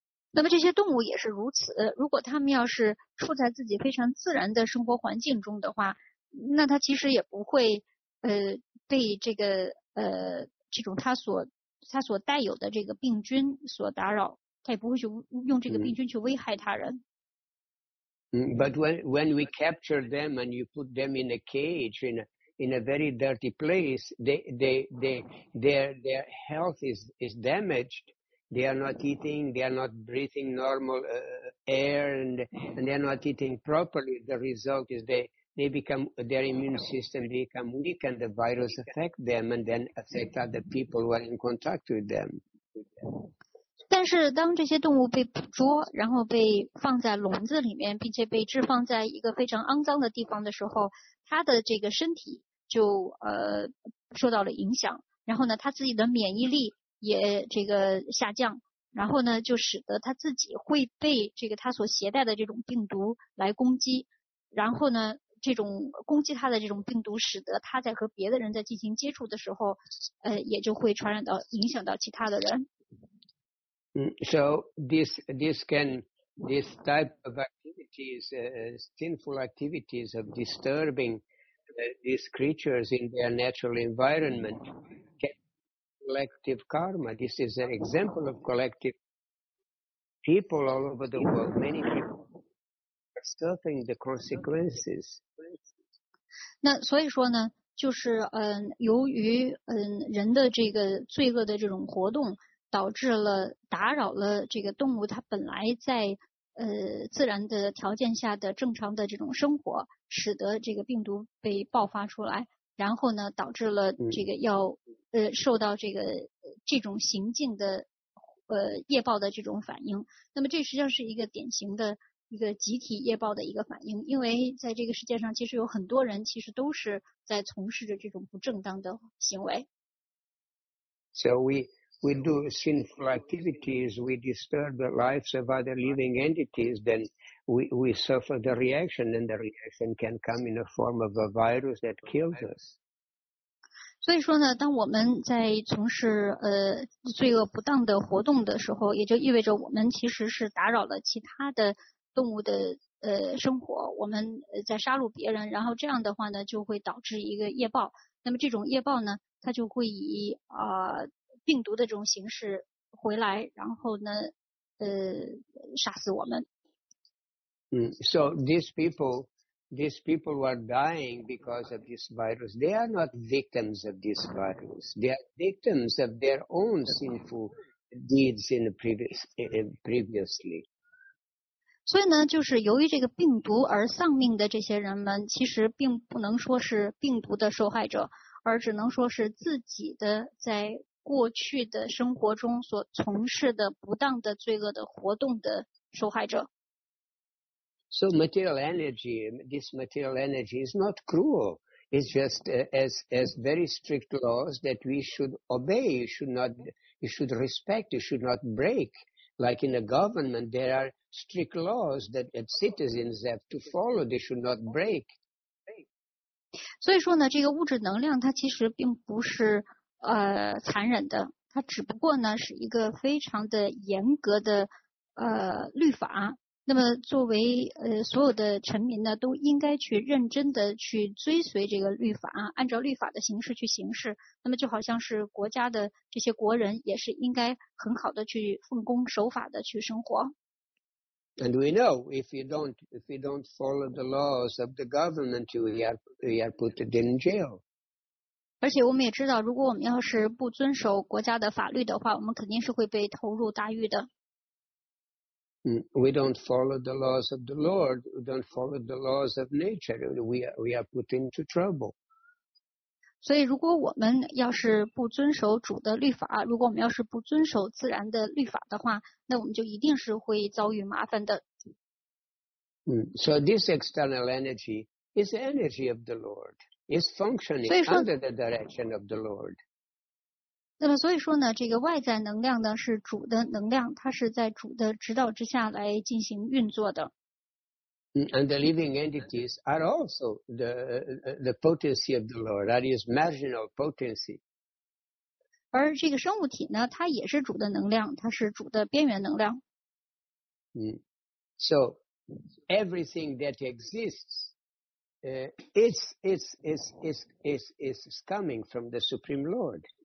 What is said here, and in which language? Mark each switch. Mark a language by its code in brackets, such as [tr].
[zh] 那么这些动物也是如此，如果他们要是处在自己非常自然的生活环境中的话，那他其实也不会被这个这种他所带有的这个病菌所打扰，他也不会去用这个病菌去危害他人。 [en] But when we capture them and you put them in a cage in a very dirty place, their health is damaged. They are not eating, they are not breathing normal air, and they are not eating properly. The result is their immune system become weak and the virus affect them and then affect other people who are in contact with them. [zh] 但是当这些动物被捕捉然后被放在笼子里面并且被置放在一个非常肮脏的地方的时候，它的这个身体就受到了影响，然后呢它自己的免疫力也这个下降，然后呢就使得它自己会被这个它所携带的这种病毒来攻击，然后呢这种攻击它的这种病毒使得它在和别的人在进行接触的时候也就会传染到影响到其他的人。 [en] So this type of activities, sinful activities of disturbing these creatures in their natural environment, can collective karma. This is an example of collective people all over the world. Many people are suffering the consequences. [zh] 那所以说呢，就是由于人的这个罪恶的这种活动。导致了打扰了这个动物它本来在自然的条件下的正常的这种生活，使得这个病毒被爆发出来，然后呢导致了这个要受到这种行径的业报的这种反应。那么这实际上是一个典型的一个集体业报的一个反应，因为在这个世界上其实有很多人其实都是在从事着这种不正当的行为。 [en] So we do sinful activities, we disturb the lives of other living entities, then we suffer the reaction, and the reaction can come in the form of a virus that kills us. [zh] 所以说呢，当我们在从事罪恶不当的活动的时候，也就意味着我们其实是打扰了其他的动物的生活，我们在杀戮别人，然后这样的话呢就会导致一个业报，那么这种业报呢它就会以病毒的这种形式回来，然后呢杀死我们。 [en] So these people were dying because of this virus. They are not victims of this virus. They are victims of their own sinful deeds in the previously. [zh] 所以呢就是由于这个病毒而丧命的这些人们其实并不能说是病毒的受害者，而只能说是自己的在过去的生活中所从事的不当的罪恶的活动的受害者。 [en] So material energy, this material energy is not cruel. It's just as very strict laws that we should obey. You should respect. You should not break. Like in a government, there are strict laws that citizens have to follow. They should not break. [zh] 所以说呢，这个物质能量它其实并不是残忍的，它只不过呢是一个非常的严格的律法。那么作为所有的臣民呢，都应该去认真的去追随这个律法，按照律法的形式去行事。那么就好像是国家的这些国人，也是应该很好的去奉公守法的去生活。 [en] And we know if you don't follow the laws of the government, you are put in jail. [zh] 而且我们也知道，如果我们要是不遵守国家的法律的话，我们肯定是会被投入大狱的。 [en] We don't follow the laws of the Lord. We don't follow the laws of nature. We are put into trouble. [zh] 所以，如果我们要是不遵守主的律法，如果我们要是不遵守自然的律法的话，那我们就一定是会遭遇麻烦的。 [en] So this external energy is the energy of the Lord.Is functioning under the direction of the Lord. [zh] 那么所以说呢，这个外在能量呢是主的能量，它是在主的指导之下来进行运作的。 [en] And the living entities are also the potency of the Lord, that is marginal potency. [zh] 而这个生物体呢，它也是主的能量，它是主的边缘能量。 [en] So everything that exists, is coming from the Supreme Lord.